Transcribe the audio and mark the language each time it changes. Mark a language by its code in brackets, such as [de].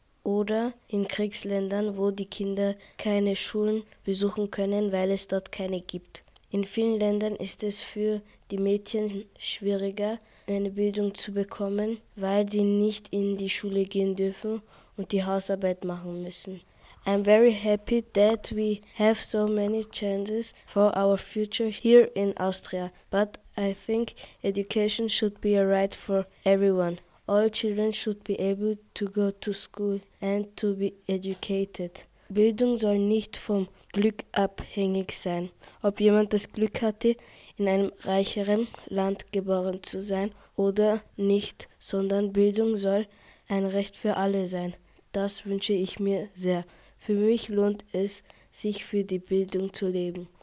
[de] Oder in Kriegsländern, wo die Kinder keine Schulen besuchen können, weil es dort keine gibt. In vielen Ländern ist es für die Mädchen schwieriger, eine Bildung zu bekommen, weil sie nicht in die Schule gehen dürfen und die Hausarbeit machen müssen. [en] I'm very happy that we have so many chances for our future here in Austria, but I think education should be a right for everyone. All children should be able to go to school and to be educated. [de] Bildung soll nicht vom Glück abhängig sein. Ob jemand das Glück hatte, in einem reicheren Land geboren zu sein oder nicht, sondern Bildung soll ein Recht für alle sein. Das wünsche ich mir sehr. Für mich lohnt es, sich für die Bildung zu leben.